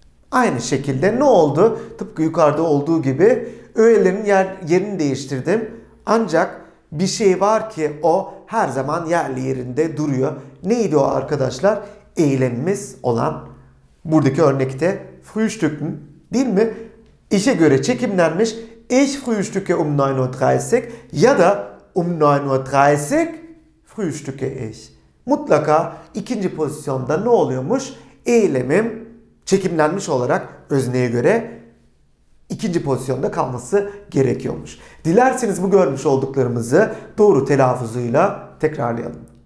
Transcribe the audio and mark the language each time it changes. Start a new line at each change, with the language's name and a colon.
Turkish: Aynı şekilde ne oldu? Tıpkı yukarıda olduğu gibi öğelerin yerini değiştirdim. Ancak bir şey var ki o her zaman yerli yerinde duruyor. Neydi o arkadaşlar? Eylemimiz olan buradaki örnekte frühstück değil mi? İşe göre çekimlenmiş.
German: Ich frühstücke 9.30
Turkish: ya da
German: 9.30 frühstücke ich.
Turkish: Mutlaka ikinci pozisyonda ne oluyormuş? Eylemim çekimlenmiş olarak özneye göre ikinci pozisyonda kalması gerekiyormuş. Dilerseniz bu görmüş olduklarımızı doğru telaffuzuyla tekrarlayalım.